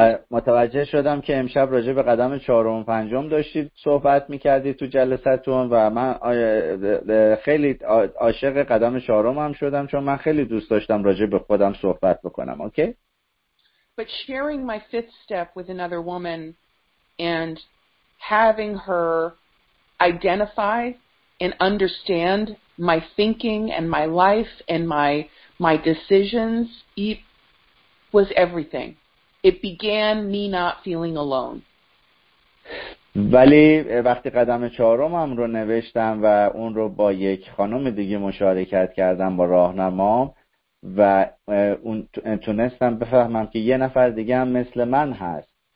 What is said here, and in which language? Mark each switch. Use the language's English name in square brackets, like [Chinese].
[Persian] متوجه شدم که امشب راجع به قدم چهارم و پنجم داشتید صحبت میکردید تو جلسه‌تون و من خیلی عاشق قدم چهارم هم شدم چون من خیلی دوست داشتم راجع به خودم صحبت بکنم. اوکی؟ [English] But sharing my fifth step with another woman and having her identify and understand my thinking and my life and my decisions was everything. It began me not feeling alone. [Persian] ولی وقتی قدم چهارمم رو نوشتم و اون رو با یک خانم دیگه مشارکت کردم با راهنمام و اون تونستم بفهمم که یه نفر دیگه هم مثل من هست.